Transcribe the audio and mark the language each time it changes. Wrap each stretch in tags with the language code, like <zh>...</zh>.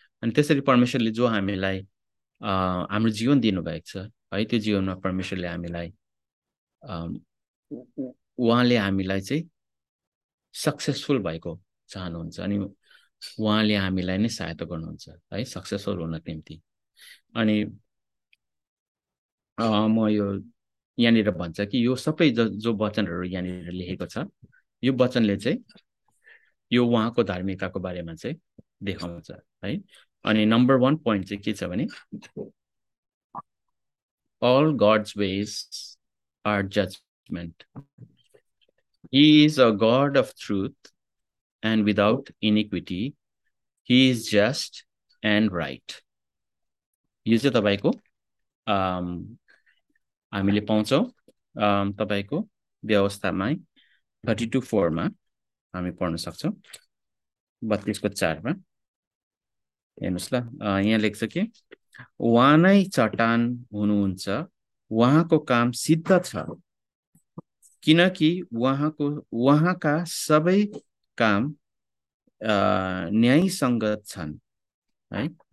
<ne>अनि त्यसरी परमेश्वरले जो हामीलाई हाम्रो जीवन दिनुभएको छ है, त्यो जीवनमा परमेश्वरले हामीलाई उहाँले हामीलाई चाहिँ सक्सेसफुल भएको चाहनुहुन्छ अनि उहाँले हामीलाई नै सहायता गर्नुहुन्छ है सक्सेसफुल हुन निम्ति। अनि म यो यहाँनिर भन्छ कि यो सबै जो वचनहरू यहाँनिर लेखेको छ, यो वचनले चाहिँ यो उहाँको धार्मिकताको बारेमा चाहिँ देखाउँछ है। अनि नम्बर वान पोइन्ट चाहिँ के छ भने</ne> <en>All God's ways are judgement, he is a God of truth and without iniquity, he is just and right.</en> <ne>यो चाहिँ तपाईँको हामीले पाउँछौँ तपाईँको व्यवस्थामा 32:4 हामी पढ्न सक्छौँ, 32:4 हेर्नुहोस् ल, यहाँ लेख्छ कि उहाँ नै चट्टान हुनुहुन्छ, उहाँको काम सिद्ध छ, किनकि उहाँको उहाँका सबै काम न्यायसङ्गत छन् है।</ne>